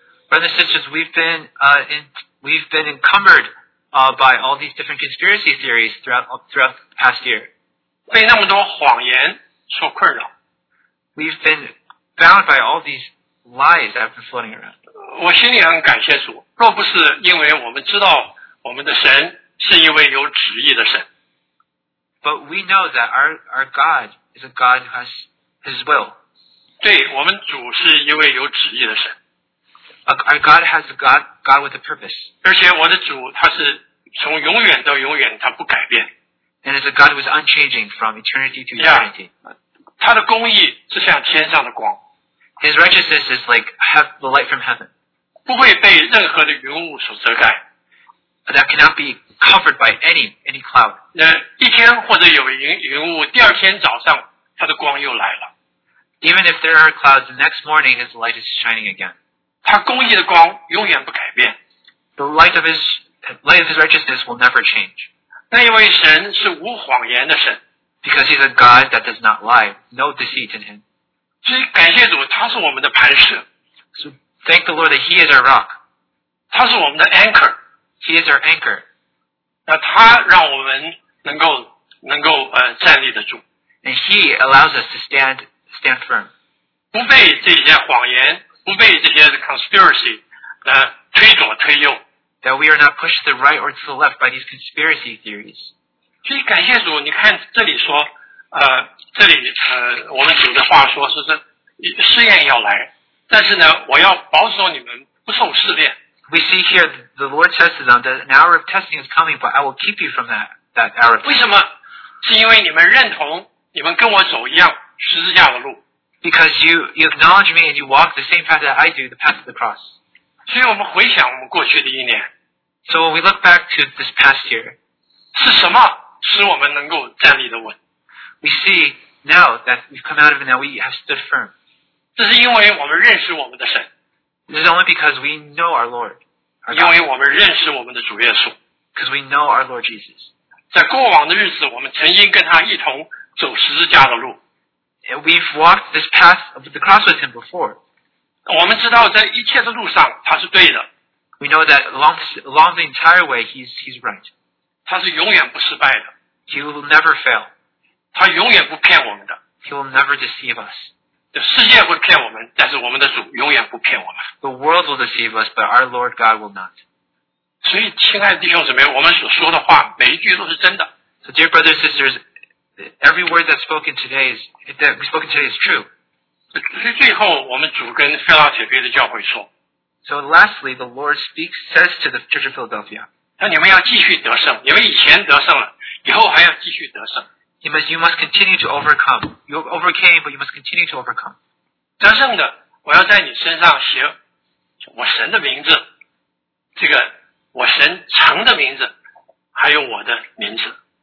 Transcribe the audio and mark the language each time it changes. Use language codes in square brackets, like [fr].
[en] Brothers and sisters, we've been encumbered, by all these different conspiracy theories throughout the past year. [zh] 被那么多谎言所困扰。 [en] We've been bound by all these lies that have been floating around. [zh] 我心里很感谢主，若不是因为我们知道我们的神是一位有旨意的神。 [en] But we know that our God is a God who has His will. [zh] 对，我们主是一位有旨意的神。 [en] Our God has a God with a purpose. [zh] 而且我的主他是从永远到永远他不改变。 [en] And it's a God who is unchanging from eternity to eternity. [zh] Yeah, 他的公义是像天上的光。 [en] His righteousness is like the light from heaven. [zh] 不会被任何的云雾所遮盖。 [en] That cannot be covered by any cloud. [zh] 那一天或者有云雾第二天早上他的光又来了。 [en] Even if there are clouds, the next morning his light is shining again. [zh] 他公义的光永远不改变。 [en] The light of his righteousness will never change. [zh] 那一位神是无谎言的神。 [en] Because he's a God that does not lie, no deceit in him. [zh] 所以感谢主，他是我们的磐石。 [en] So thank the Lord that he is our rock. [zh] 他是我们的 anchor. [en] He is our anchor. [zh] 那他让我们能够站立得住。 [en] And he allows us to stand firm. [zh] 不被这些谎言不被这些 conspiracy 推左推右 [en] that we are not pushed to the right or to the left by these conspiracy theories. [zh] 所以感谢主，你看这里说，这里我们主的话说是这试验要来，但是呢，我要保守你们不受试炼。 [en] We see here the Lord says to them that an hour of testing is coming, but I will keep you from that hour. [zh] 为什么？是因为你们认同你们跟我走一样十字架的路。 [en] Because you acknowledge me and you walk the same path that I do, the path of the cross. [zh] 所以我们回想我们过去的一年。 [en] So when we look back to this past year, [zh] 是什么使我们能够站立得稳？ [en] We see now that we've come out of it and we have stood firm. [zh] 这是因为我们认识我们的神。 [en] This is only because we know our Lord. [zh] 因为我们认识我们的主耶稣。 [en] Because we know our Lord Jesus. [zh] 在过往的日子，我们曾经跟他一同走十字架的路。 [en] We've walked this path of the cross with him before. [zh] 我们知道在一切的路上他是对的。 [en] We know that along the entire way he's right. [zh] 他是永远不失败的。 [en] He will never fail. [zh] 他永远不骗我们的。 [en] He will never deceive us. [zh] 世界会骗我们，但是我们的主永远不骗我们。 [en] The world will deceive us, but our Lord God will not. [zh] 所以亲爱的弟兄姊妹，我们所说的话每一句都是真的。 [en] So dear brothers and sisters,Every word that's spoken today is true. [zh] 最后我们主跟菲拉铁菲的教会说。 [en] So lastly, the Lord says to the Church of Philadelphia. [zh] 那你们要继续得胜，你们以前得胜了，以后还要继续得胜。 [en] You must continue to overcome. You overcame, but you must continue to overcome. [zh] 得胜的，我要在你身上写我神的名字，这个我神城的名字，还有我的名字。